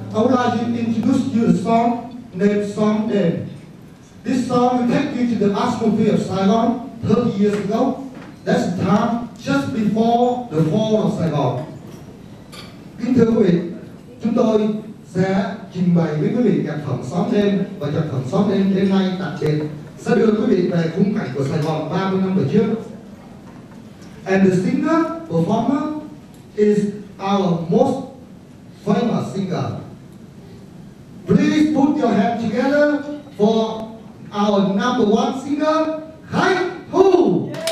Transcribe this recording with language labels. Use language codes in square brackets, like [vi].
[en] I would like to introduce you a song named Song Day. This song will take you to the atmosphere of Saigon 30 years ago. That's the time just before the fall of Saigon. [vi] Kính thưa quý vị, chúng tôi sẽ trình bày với quý vị nhạc phẩm Song Day, và nhạc phẩm Song Day đêm nay đặc biệt sẽ đưa quý vị về khung cảnh của Saigon 30 năm về trước. [en] And the singer, performer, is our most famous singer. Please put your hands together for our number one singer, Chay Thu!